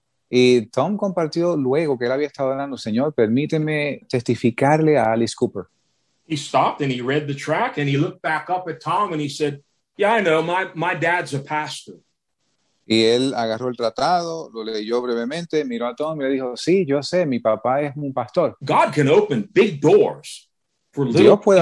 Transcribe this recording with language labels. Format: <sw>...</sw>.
<es>Y Tom compartió luego que él había estado orando, "Señor, permíteme testificarle a Alice Cooper."</es> <en>He stopped and he read the track and he looked back up at Tom and he said, "Yeah, I know, my dad's a pastor."</en> <es>Y él agarró el tratado, lo leyó brevemente, miró a Tom y le dijo, sí, yo sé, mi papá es un pastor.</es> <en>God can open big doors for little,</en>